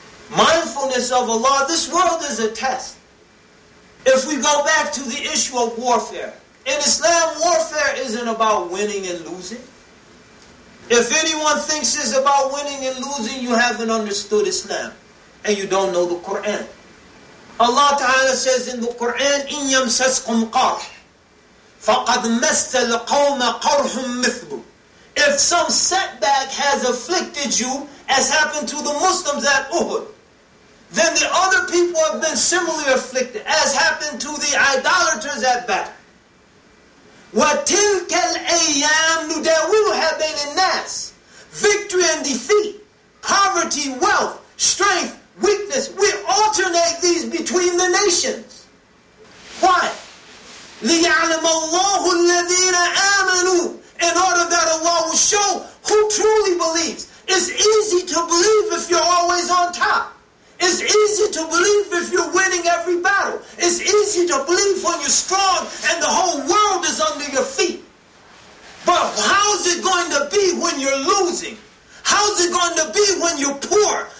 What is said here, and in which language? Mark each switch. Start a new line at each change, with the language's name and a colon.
English: Mindfulness of Allah, this world is a test. If we go back to the issue of warfare, in Islam, warfare isn't about winning and losing. If anyone thinks it's about winning and losing, you haven't understood Islam and you don't know the Quran. Allah Ta'ala says in the Quran,
Arabic: إِنْ يَمْسَسْكُمْ قَرْحٌ فَقَدْ مَسَّ الْقَوْمَ قَرْحٌ مِثْلُ.
English: If some setback has afflicted you, as happened to the Muslims at Uhud, then the other people have been similarly afflicted, as happened to the idolaters at Badr.
Arabic: وَتِلْكَ الْأَيَّامُ نُدَاوِلُهَا بَيْنَ النَّاسِ.
English: Victory and defeat, poverty, wealth, strength, weakness, we alternate these between the nations. Why?
Arabic: لِيَعْلَمَ اللَّهُ الَّذِينَ آمَنُوا.
English: in order that Allah will show who truly believes. It's easy to believe if you're always on top. It's easy to believe if you're winning every battle. It's easy to believe when you're strong and the whole world is under your feet. But how's it going to be when you're losing? How's it going to be when you're poor?